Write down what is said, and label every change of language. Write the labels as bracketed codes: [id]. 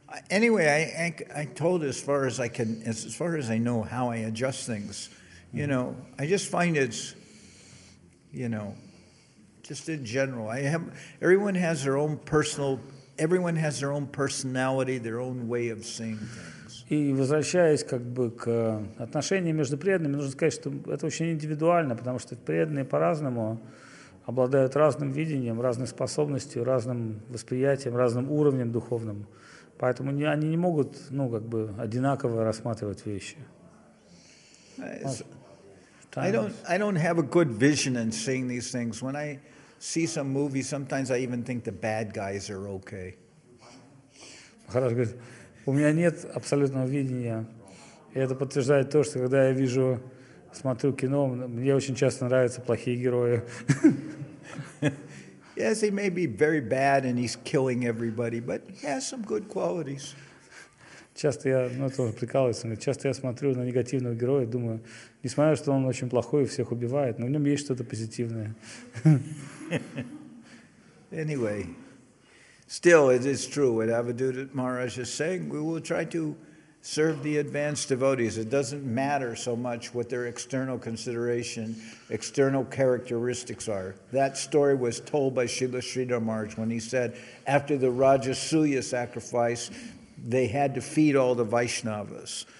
[en] Anyway, I told as far as I know how I adjust things. You know, I just find it's... You know, just in general, everyone has their own personality, their own way of seeing things. [ru] И возвращаясь как бы к отношениям между преданными, нужно сказать, что это очень индивидуально, потому что преданные по-разному обладают разным видением, разной способностью, разным восприятием, разным уровнем духовным. Поэтому они не могут, ну, как бы одинаково рассматривать вещи. [en] I don't have a good vision in seeing these things. When I see some movie, sometimes I even think the bad guys are okay. [ru] Хорошо, говорит, у меня нет абсолютного видения. И это подтверждает то, что когда я вижу, смотрю кино, мне очень часто нравятся плохие герои. [en] Yes, he may be very bad and he's killing everybody, but he has some good qualities. [ru] Часто я, ну это уже прикалывается, часто я смотрю на негативного героя и думаю, несмотря на то, что он очень плохой и всех убивает, но в нем есть что-то позитивное. [en] Anyway, still it is true what Avadhuta Maharaj is saying. We will try to serve the advanced devotees. It doesn't matter so much what their external consideration, external characteristics are. That story was told by Srila Sridhar Maharaj when he said, after the Rajasuya sacrifice, they had to feed all the Vaishnavas.